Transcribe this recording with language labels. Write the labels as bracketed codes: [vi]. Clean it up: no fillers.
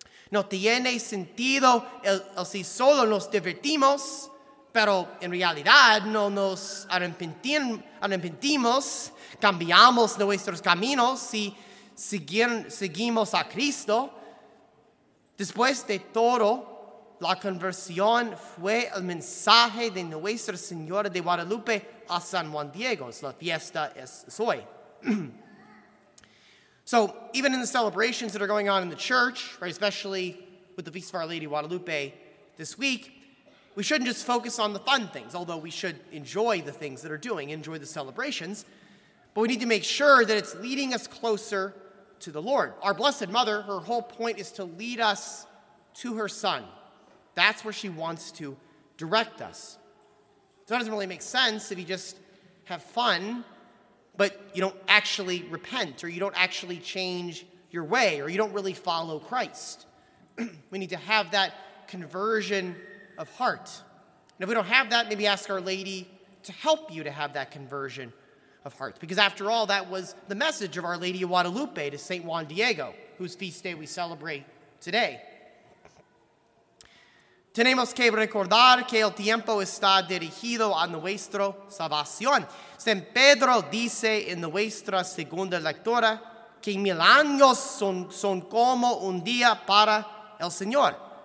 [es] No tiene sentido el si solo nos divertimos, pero en realidad no nos arrepentimos, cambiamos nuestros caminos y seguimos a Cristo. Después de todo, la conversión fue el mensaje de Nuestra Señora de Guadalupe a San Juan Diego. La fiesta es hoy. [en] So, even in the celebrations that are going on in the church, right, especially with the Feast of Our Lady Guadalupe this week, we shouldn't just focus on the fun things, although we should enjoy the things that are doing, enjoy the celebrations, but we need to make sure that it's leading us closer to the Lord. Our Blessed Mother, her whole point is to lead us to her Son. That's where she wants to direct us. So it doesn't really make sense if you just have fun, but you don't actually repent, or you don't actually change your way, or you don't really follow Christ. We need to have that conversion of heart. And if we don't have that, maybe ask Our Lady to help you to have that conversion of heart. Because after all, that was the message of Our Lady of Guadalupe to St. Juan Diego, whose feast day we celebrate today. [es] Tenemos que recordar que el tiempo está dirigido a nuestra salvación. San Pedro dice en nuestra segunda lectura que 1,000 años son como un día para el Señor.